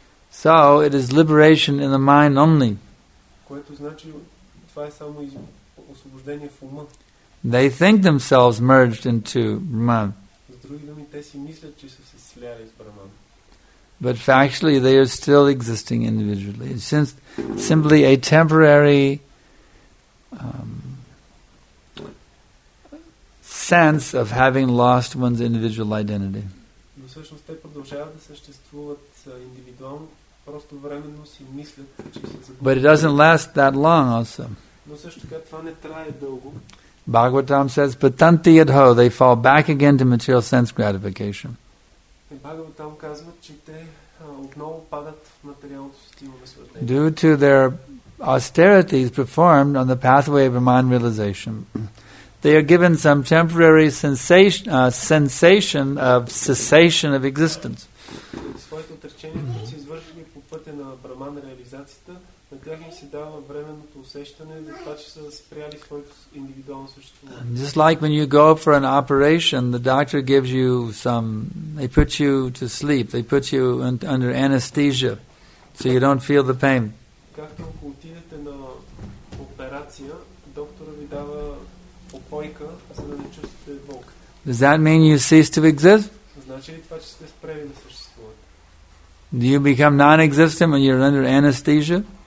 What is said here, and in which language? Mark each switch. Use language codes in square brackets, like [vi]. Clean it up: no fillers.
[en] So it is liberation in the mind only. [bg] Това е само освобождение в ума. [en] They think themselves merged into Brahman. [bg] С други думи, те си мислят, че са се сляли с Брахман. [en] But factually, they are still existing individually. It's just simply a temporary sense of having lost one's individual identity. [bg] Но всъщност те продължават да съществуват индивидуално, просто временно си мислят, че са загубили. [en] But it doesn't last that long also. [bg] Но също така това не трае дълго. [en] Bhagavatam says, [sa] patanti yadho, [en] they fall back again to material sense gratification. [bg] Bhagavatam казва, че те отново падат в материалното стимулно свърдение. [en] Due to their austerities performed on the pathway of Brahman realization, they are given some temporary sensation of cessation of existence. [bg] Своето отречение, които са извършили по пътя на Брахман реализацията, на тях им се дава временното усещане за това, че са спряли своето индивидуално съществуване. [en] Just like when you go for an operation, the doctor gives you they put you to sleep, they put you under anesthesia, so you don't feel the pain. [bg] Както ако отидете на операция, доктора ви дава опойка, за да не чувствате болка. [en] Does that mean you cease to exist? [bg] Значи ли това, че сте спрели да съществувате? [en] Do you become non-existent when you're under anesthesia?